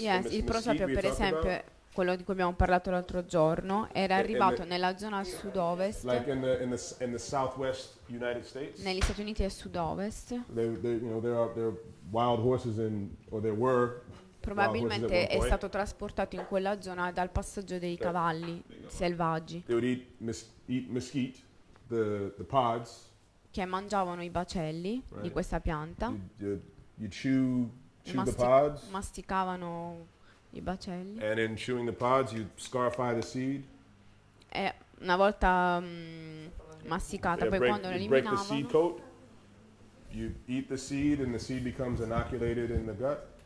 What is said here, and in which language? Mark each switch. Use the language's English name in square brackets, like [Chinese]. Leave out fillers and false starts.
[English] Yes, [Italian] il prosopio, per esempio, quello di cui abbiamo parlato l'altro giorno, era arrivato nella zona sud-ovest. [English] Like in the southwest United States? [Italian] Negli Stati Uniti a sud-ovest. [English] There are wild horses in, or there were. [Italian] Probabilmente è stato trasportato in quella zona dal passaggio dei cavalli selvaggi. [English] They would eat mesquite, the pods. [Italian] Che mangiavano i bacelli, [English] right, [Italian] di questa pianta. [English] You chew the pods. [Italian] Masticavano i bacelli. [English] And in chewing the pods, you scarify the seed. [Italian] E una volta masticata, poi quando lo eliminavano. [English] You break the seed coat. You eat the seed, and the seed becomes inoculated in the gut.